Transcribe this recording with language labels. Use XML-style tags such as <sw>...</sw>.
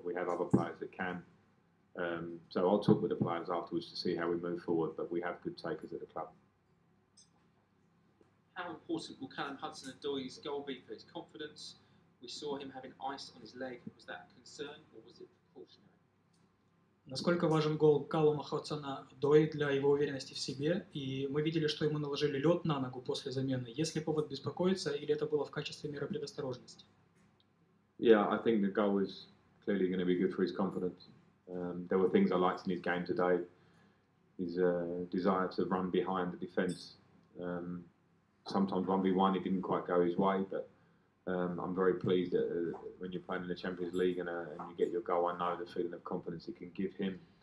<en>We have other players that can. So I'll talk with the players afterwards to see how we move forward, but we have good takers at the club. How important will Callum Hudson-Odoi's goal be for his confidence? We saw him having ice on his leg. Was that a concern or was it precautionary?</en> <ru>Насколько важен гол Каллума Хадсона-Одои для его уверенности в себе? И мы видели, что ему наложили лед на ногу после замены. Есть ли повод беспокоиться или это было в качестве меры предосторожности?</ru> <en>Yeah, I think the goal is clearly going to be good for his confidence. There were things I liked in his game today. His desire to run behind the defence. Sometimes 1v1 it didn't quite go his way, but I'm very pleased that when you're playing in the Champions League and you get your goal, I know the feeling of confidence it can give him.</en>